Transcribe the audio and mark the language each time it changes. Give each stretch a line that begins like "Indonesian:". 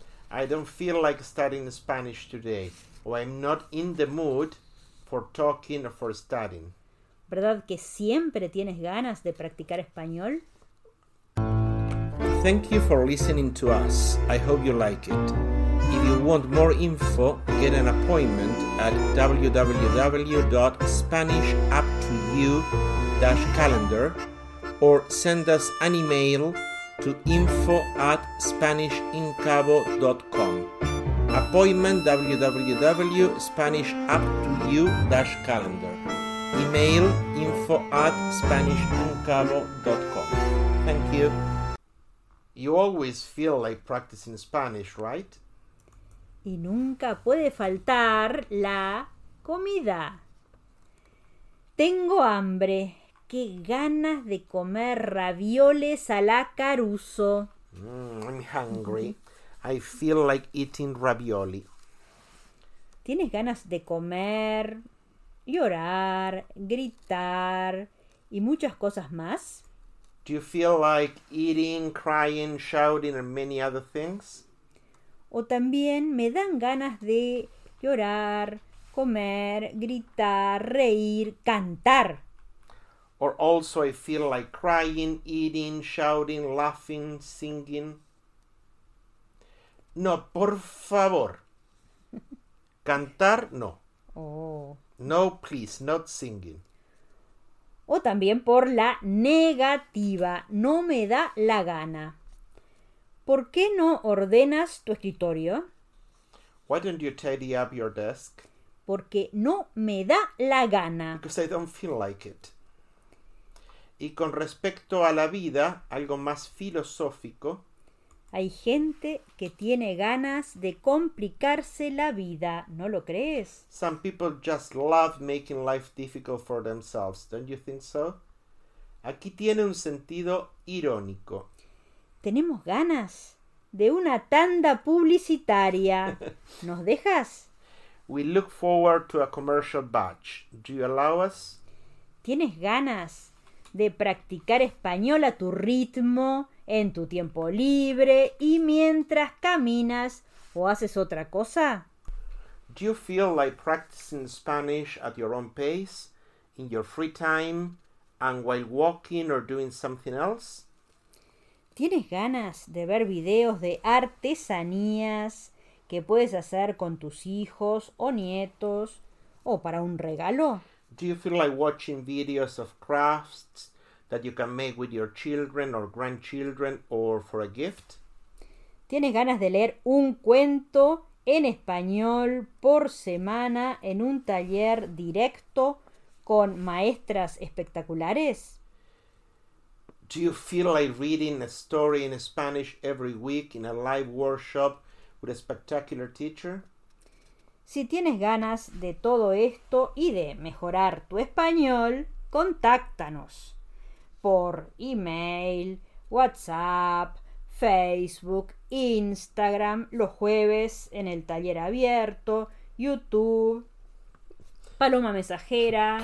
English: I don't feel like studying Spanish today. I'm not in the mood for talking or for studying.
Spanish: ¿Verdad que siempre tienes ganas de practicar español?
English: Thank you for listening to us. I hope you like it. If you want more info, get an appointment at www.spanishuptoyou-calendar or send us an email to info@spanishincabo.com. Appointment www.spanishuptoyou-calendar. Email info@spanishincabo.com. Thank you. You always feel like practicing Spanish, right?
Spanish: Y nunca puede faltar la comida. Tengo hambre. Qué ganas de comer ravioles a la Caruso.
English: I'm hungry. I feel like eating ravioli.
Spanish: ¿Tienes ganas de comer, llorar, gritar y muchas cosas más?
English: Do you feel like eating, crying, shouting, and many other things?
Spanish: O también me dan ganas de llorar, comer, gritar, reír, cantar.
English: Or also, I feel like crying, eating, shouting, laughing, singing.
Spanish: No, por favor. Cantar, no.
English: Oh. No, please, not singing.
Spanish: O también por la negativa, no me da la gana. ¿Por qué no ordenas tu escritorio?
English: Why don't you tidy up your desk?
Spanish: Porque no me da la gana.
English: Because I don't feel like it.
Spanish: Y con respecto a la vida, algo más filosófico. Hay gente que tiene ganas de complicarse la vida, ¿no lo crees?
English: Some people just love making life difficult for themselves, don't you think so?
Spanish: Aquí tiene un sentido irónico. Tenemos ganas de una tanda publicitaria. ¿Nos dejas?
English: We look forward to a commercial batch. Do you allow us?
Spanish: ¿Tienes ganas de practicar español a tu ritmo, en tu tiempo libre y mientras caminas o haces otra cosa?
English: Do you feel like practicing Spanish at your own pace, in your free time, and while walking or doing something else?
Spanish: ¿Tienes ganas de ver videos de artesanías que puedes hacer con tus hijos o nietos o para un regalo?
English: Do you feel like watching videos of crafts that you can make with your children or grandchildren or for a gift?
Spanish: ¿Tienes ganas de leer un cuento en español por semana en un taller directo con maestras espectaculares?
English: Do you feel like reading a story in Spanish every week in a live workshop with a spectacular teacher?
Spanish: Si tienes ganas de todo esto y de mejorar tu español, contáctanos por email, WhatsApp, Facebook, Instagram, los jueves en el taller abierto, YouTube, Paloma Mensajera.